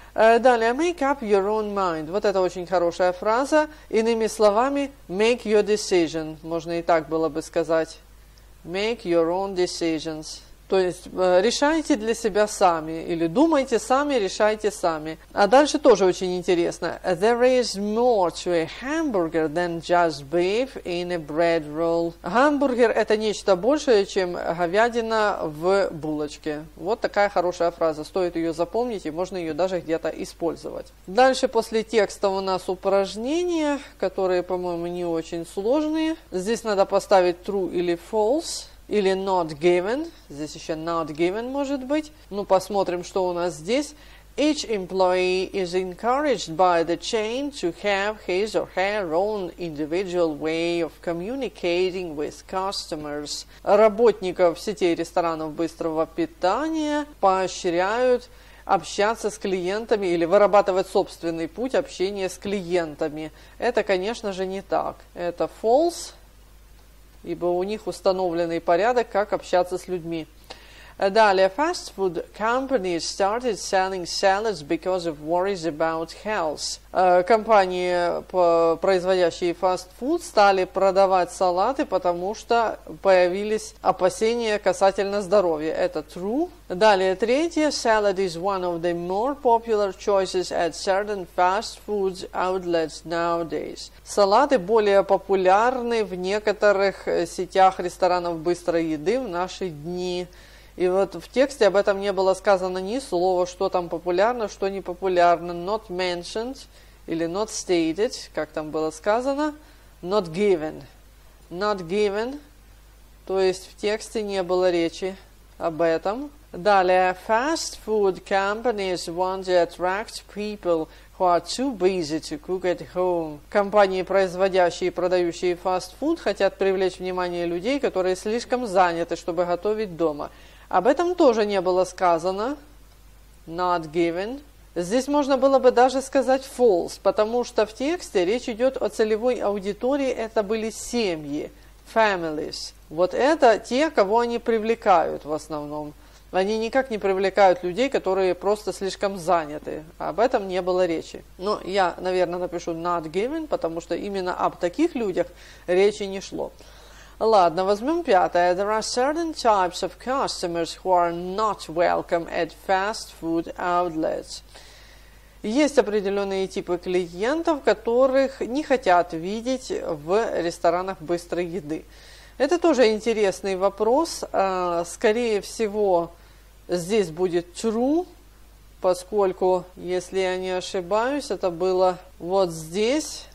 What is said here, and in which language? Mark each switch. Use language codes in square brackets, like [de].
[ru] Далее, [en] make up your own mind. [ru] Вот это очень хорошая фраза. Иными словами, [en] make your decision. [ru] Можно и так было бы сказать. [en] Make your own decisions. [ru] То есть, решайте для себя сами. Или думайте сами, решайте сами. А дальше тоже очень интересно. [en] There is more to a hamburger than just beef in a bread roll. [ru] Гамбургер – это нечто большее, чем говядина в булочке. Вот такая хорошая фраза. Стоит ее запомнить, и можно ее даже где-то использовать. Дальше после текста у нас упражнения, которые, по-моему, не очень сложные. Здесь надо поставить true или false. Или not given, здесь еще not given может быть. Ну, посмотрим, что у нас здесь. [en] Each employee is encouraged by the chain to have his or her own individual way of communicating with customers. [ru] Работников сетей ресторанов быстрого питания поощряют общаться с клиентами или вырабатывать собственный путь общения с клиентами. Это, конечно же, не так. Это false, ибо у них установленный порядок, как общаться с людьми. [en] Далее, fast food companies started selling salads because of worries about health. [ru] Компании, производящие фастфуд, стали продавать салаты, потому что появились опасения касательно здоровья. Это true. Далее, третье, [en] salad is one of the more popular choices at certain fast food outlets nowadays. [ru] Салаты более популярны в некоторых сетях ресторанов быстрой еды в наши дни. И вот в тексте об этом не было сказано ни слова, что там популярно, что не популярно. [en] Not mentioned [ru] или [en] not stated, [ru] как там было сказано. [en] Not given. Not given. [ru] То есть в тексте не было речи об этом. Далее. [en] Fast food companies want to attract people who are too busy to cook at home. [ru] Компании, производящие и продающие фастфуд, хотят привлечь внимание людей, которые слишком заняты, чтобы готовить дома. Об этом тоже не было сказано. [en] Not given. [ru] Здесь можно было бы даже сказать false, потому что в тексте речь идет о целевой аудитории. Это были семьи. Families. Вот это те, кого они привлекают в основном. Они никак не привлекают людей, которые просто слишком заняты. Об этом не было речи. Но я, наверное, напишу not given, потому что именно об таких людях речи не шло. Ладно, возьмем пятое. [en] There are certain types of customers who are not welcome at fast food outlets. [ru] Есть определенные типы клиентов, которых не хотят видеть в ресторанах быстрой еды. Это тоже интересный вопрос. Скорее всего, здесь будет true, поскольку, если я не ошибаюсь, это было вот здесь.